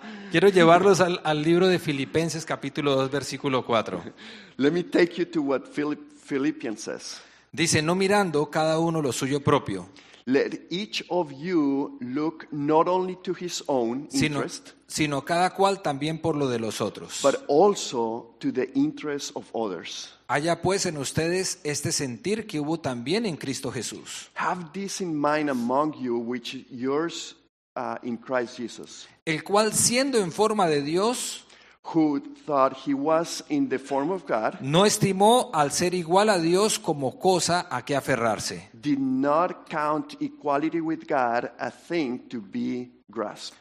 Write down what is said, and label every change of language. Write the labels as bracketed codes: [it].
[es] Quiero llevarlos al libro de Filipenses capítulo 2 versículo 4. [en] Let me take you to what Philippians says. [es] Dice, no mirando cada uno lo suyo propio. [en] Let each of you look not only to his own interest, [es] sino cada cual también por lo de los otros. [en] But also to the interest of others. [es] Haya pues en ustedes este sentir que hubo también en Cristo Jesús. [en] Have this in mind among you, which yours in Christ Jesus. [es] El cual siendo en forma de Dios, [en] who thought he was in the form of God, [es] no estimó al ser igual a Dios como cosa a que aferrarse. [en] Did not count equality with God a thing to be grasped.